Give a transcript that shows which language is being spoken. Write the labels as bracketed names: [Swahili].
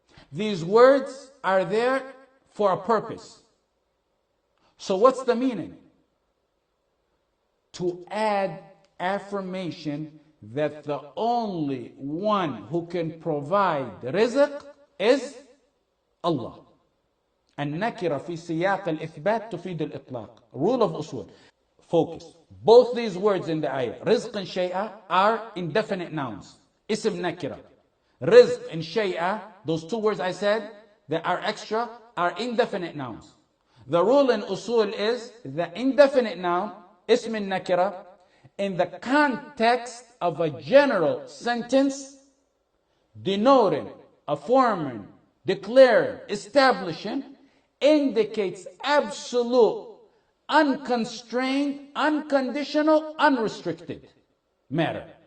[English] These words are there for a purpose. So what's the meaning? To add affirmation that the only one who can provide rizq is Allah. [Arabic] النكرة في سياق الإثبات تفيد الإطلاق. [English] Rule of usul. Focus. Both these words in the ayah, rizq and shay'a, are indefinite nouns. Ism nakira. Rizq and shay'a, those two words I said, that are extra are indefinite nouns. The rule in usul is the indefinite noun, ism al-nakira, in the context of a general sentence denoting, affirming, declaring, establishing, indicates absolute, unconstrained, unconditional, unrestricted matter.